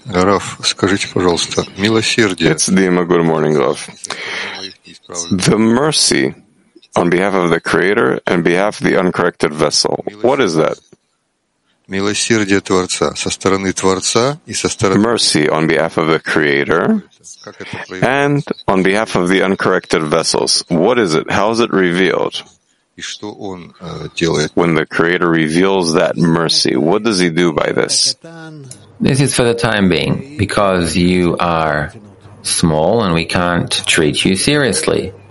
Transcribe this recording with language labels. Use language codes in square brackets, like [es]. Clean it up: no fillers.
[ru] Рав, скажите, пожалуйста, милосердие. [en] It's Dima. Good morning, Rav. The mercy on behalf of the Creator and behalf of the uncorrected vessel. What is that? [ru] Милосердие Творца со стороны Творца и со стороны. [en] Mercy on behalf of the Creator and on behalf of the uncorrected vessels. What is it? How is it revealed? [ru] И что он делает? [en] When the Creator reveals that mercy, what does He do by this? This is for the time being, because you are small and we can't treat you seriously.